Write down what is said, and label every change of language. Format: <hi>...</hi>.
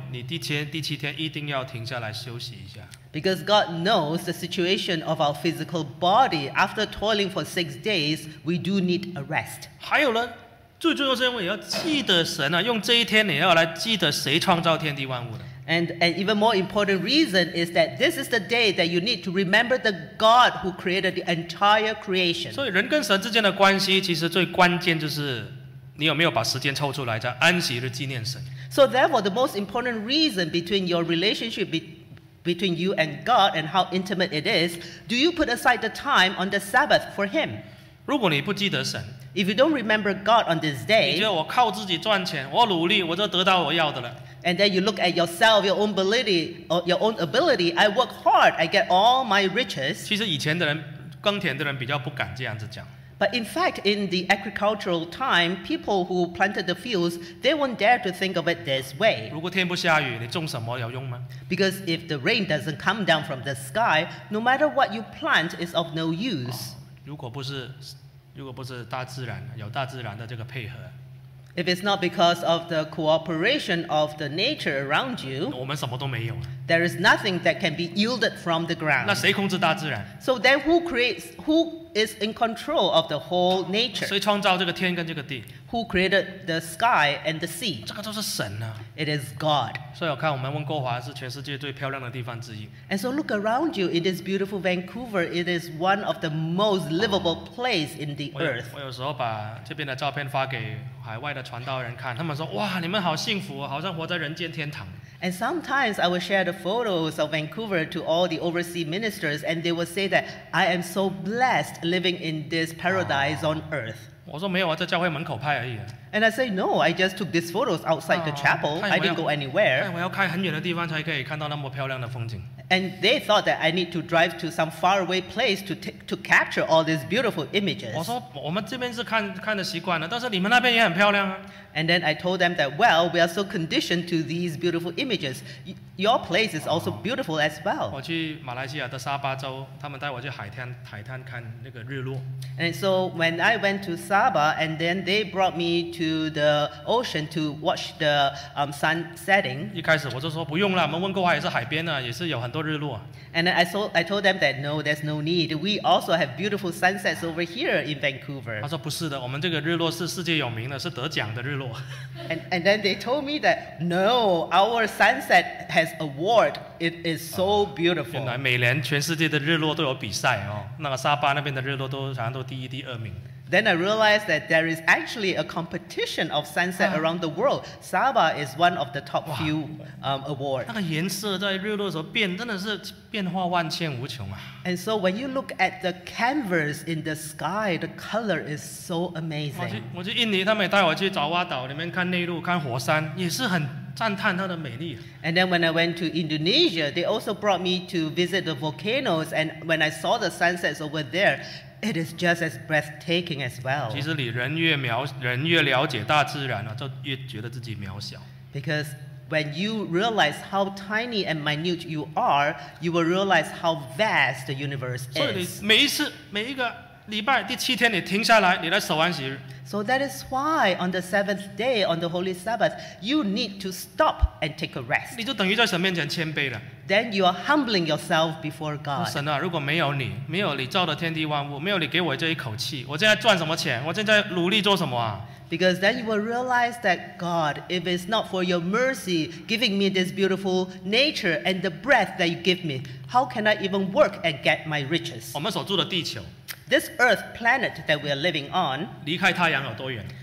<zh>神知道我们的身体，大概你工作六天左右，你第七天一定要停下来休息一下。</zh> <en>Because God knows the situation of our physical body. After toiling for 6 days, we do need a rest.</en> <zh>还有呢，最重要是因为你要记得神啊，用这一天你要来记得谁创造天地万物的。</zh> <en>And an even more important reason is that this is the day that you need to remember the God who created the entire creation.</en> <zh>所以人跟神之间的关系，其实最关键就是你有没有把时间抽出来在安息日纪念神。</zh> <en>So therefore, the most important reason between your relationship between you and God and how intimate it is, do you put aside the time on the Sabbath for Him?</en> <zh>如果你不记得神，</zh> <en>if you don't remember God on this day,</en> <zh>你觉得我靠自己赚钱，我努力，我就得到我要的了。</zh> <en>And then you look at yourself, your own ability, or your own ability. I work hard, I get all my riches.</en> <zh>其实以前的人，耕田的人比较不敢这样子讲。</zh> <en>But in fact, in the agricultural time, people who planted the fields, they won't dare to think of it this way.</en> <zh>如果天不下雨，你种什么有用吗？</zh> <en>Because if the rain doesn't come down from the sky, no matter what you plant, it's of no use.</en> <zh>如果不是如果不是大自然，有大自然的这个配合。</zh> <en>If it's not because of the cooperation of the nature around you,</en> <zh>我们什么都没有啊。</zh> <en>There is nothing that can be yielded from the ground.</en> <zh>那谁控制大自然？</zh> <en>So then who creates, who is in control of the whole nature?</en> <zh>谁创造这个天跟这个地？</zh> <en>Who created the sky and the sea?</en> <zh>这个都是神啊。</zh> <en>It is God.</en> <zh>所以我看我们温哥华是全世界最漂亮的地方之一。</zh> <en>And so look around you, it is beautiful Vancouver. It is one of the most livable place in the earth.</en> <zh>我有时候把这边的照片发给海外的传道人看，他们说哇，你们好幸福，好像活在人间天堂。</zh> <en>And sometimes I will share the photos of Vancouver to all the overseas ministers, and they will say that I am so blessed living in this paradise on earth.</en> <zh>我说没有啊，在教会门口拍而已。</zh> <en>And I say no, I just took these photos outside the chapel. I didn't go anywhere.</en> <zh>我要开很远的地方才可以看到那么漂亮的风景。</zh> <en>And they thought that I need to drive to some faraway place to capture all these beautiful images.</en> <zh>我说我们这边是看的习惯了，但是你们那边也很漂亮啊。</zh> <en>And then I told them that, well, we are so conditioned to these beautiful images. Your place is also beautiful as well.</en> <zh>我去马来西亚的沙巴州，他们带我去海滩看那个日落。</zh> <en>And so when I went to Sabah, and then they brought me to the ocean to watch the sun setting.</en> <zh>一开始我就说不用了，我们温哥华也是海边呢，也是有很多日落。</zh> <en>And then I told them that no, there's no need. We also have beautiful sunsets over here in Vancouver.</en> <zh>他说不是的，我们这个日落是世界有名的，是得奖的日落。</zh> <en>And then they told me that no, our sunset has award. It is so beautiful.</en> <zh>原来每年全世界的日落都有比赛哦，那个沙巴那边的日落都好像都第一、第二名。</zh> <en>Then I realized that there is actually a competition of sunset around the world. Sabah is one of the top few awards.</en> <zh>那个颜色在日落的时候变，真的是变化万千无穷啊。</zh> <en>And so when you look at the canvas in the sky, the color is so amazing.</en> <zh>我去印尼，他们也带我去爪哇岛里面看内陆、看火山，也是很赞叹它的美丽。</zh> <en>And then when I went to Indonesia, they also brought me to visit the volcanoes. And when I saw the sunsets over there, it is just as breathtaking as well.</en> <zh>其实你人越了解大自然了，就越觉得自己渺小。</zh> <en>Because when you realize how tiny and minute you are, you will realize how vast the universe is.</en> <zh>所以你每一个礼拜第七天，你停下来，你来守安息日。</zh> <en>So that is why on the seventh day, on the Holy Sabbath, you need to stop and take a rest.</en> <zh>你就等于在神面前谦卑了。</zh> <en>Then you are humbling yourself before God.</en> <zh>神啊，如果没有你，没有你造的天地万物，没有你给我这一口气，我现在赚什么钱？我现在努力做什么啊？</zh> <en>Because then you will realize that God, if it's not for your mercy, giving me this beautiful nature and the breath that you give me, how can I even work and get my riches?</en> <zh>我们所住的地球。</zh> <en>This earth planet that we are living on,</en> <zh>离开太阳有多远？</zh>